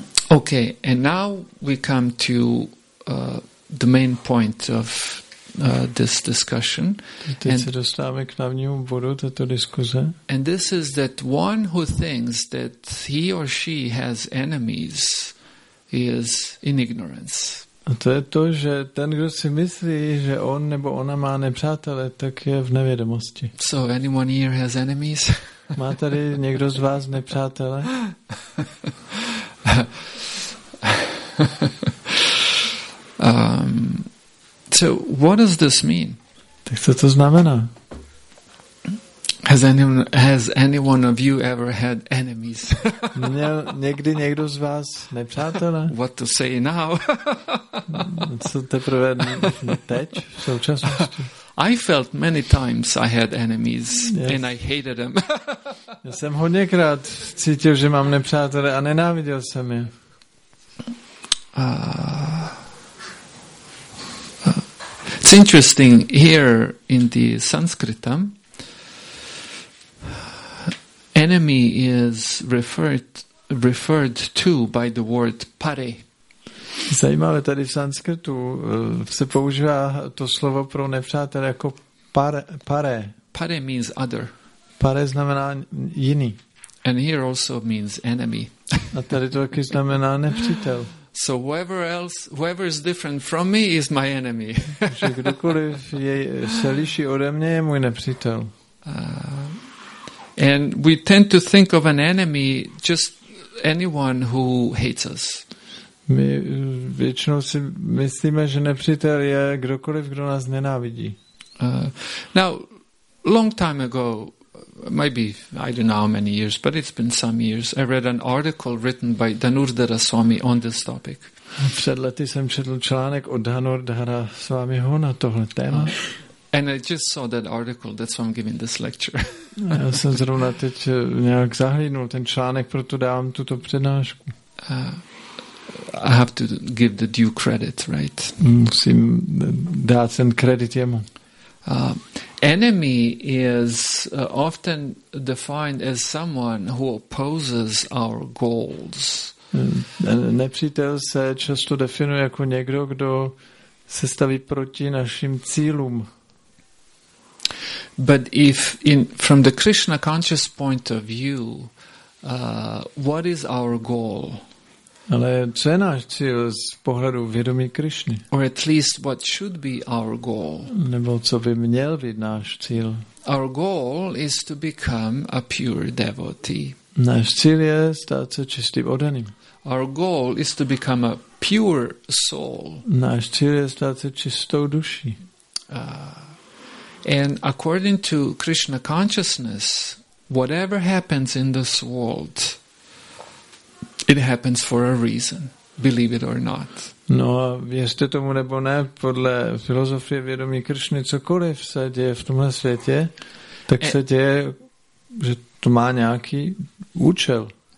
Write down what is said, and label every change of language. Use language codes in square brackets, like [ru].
[en] Okay, and now we come to the main point of this discussion. [cs] Teď se dostáváme k hlavnímu bodu této diskuze. [en] And this is that one who thinks that he or she has enemies is in ignorance. [cs] A to je to, že ten, kdo si myslí, že on nebo ona má nepřátele, tak je v nevědomosti. [en] So anyone here has enemies? [cs] Má tady někdo z vás nepřátele? [en] So what does this mean? [cs] Tak co to znamená? [en] Has anyone of you ever had enemies? [cs] Měl někdy někdo z vás nepřátele? [en] What to say now? [cs] Co teprve teď, v současnosti? [en] I felt many times I had enemies, yes. And I hated them. [cs] Já jsem hodněkrát cítil, že mám nepřátele a nenáviděl jsem je. [en] It's interesting here in the Sanskritam. Enemy is referred to by the word pare. [cs] Zajímavé, tady v sanskritu se používá to slovo pro nepřátel jako pare. [en] Pare means other. [cs] Pare znamená jiný. [en] And here also means enemy. [cs] A tady to taky znamená nepřítel. [en] So whoever is different from me is my enemy. [cs] Že kdokoliv se liší ode mě, je můj nepřítel. [en] And we tend to think of an enemy just anyone who hates us. [cs] My většinou si myslíme, že nepřítel je kdokoliv, kdo nás nenávidí. [en] Now, long time ago, maybe, I don't know how many years, but it's been some years, I read an article written by Dhanurdhara Swami on this topic. [cs] Před lety jsem četl článek od Dhanurdhara Swamiho na tohle téma. [en] And I just saw that article, that's why I'm giving this lecture. [cs] Já jsem zrovna teď nějak zahlídnul ten článek, proto dávám tuto přednášku. [en] I have to give the due credit, right? [cs] Musím dát ten kredit jemu. [en] Enemy is often defined as someone who opposes our goals. [cs] Nepřítel se často definuje jako někdo, kdo se staví proti našim cílům. [en] But if in from the Krishna conscious point of view, what is our goal? [cs] Ale co je náš cíl z pohledu vědomí Krišny? [en] Or at least what should be our goal? [cs] Nebo co by měl být náš cíl? [en] Our goal is to become a pure devotee. [cs] Náš cíl je stát se čistým oddaným. [en] Our goal is to become a pure soul. [cs] Náš cíl je stát se čistou duší. [en] And according to Krishna consciousness, whatever happens in this world, it happens for a reason, believe it or not. [cs] No, věřte tomu nebo ne, podle filozofie vědomí Krišny, cokoliv se děje v tomhle světě, tak se děje, že to má nějaký účel.